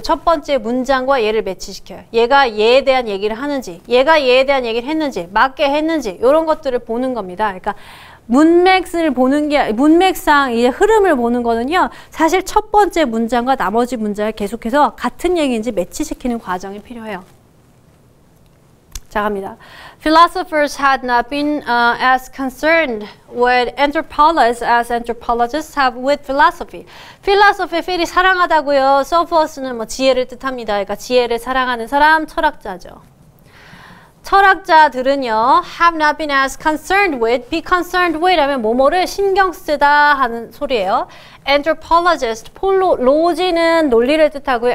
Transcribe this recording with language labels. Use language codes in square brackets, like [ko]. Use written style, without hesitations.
[ko] 첫 번째 문장과 얘를 매치시켜요. 얘가 얘에 대한 얘기를 하는지 얘가 얘에 대한 얘기를 했는지 맞게 했는지 이런 것들을 보는 겁니다. 그러니까 문맥을 보는 게 문맥상 이제 흐름을 보는 거는요. 사실 첫 번째 문장과 나머지 문장을 계속해서 같은 얘기인지 매치시키는 과정이 필요해요. 자, 갑니다. [en] Philosophers had not been as concerned with anthropologists as anthropologists have with philosophy. [ko] Philosophy, 필이 사랑하다고요. Sophos는 뭐 지혜를 뜻합니다. 그러니까 지혜를 사랑하는 사람, 철학자죠. 철학자들은요, [en] have not been as concerned with, be concerned with [ko] 하면 뭐뭐를 신경 쓰다 하는 소리예요. Anthropologist, 폴로지는 논리를 뜻하고요.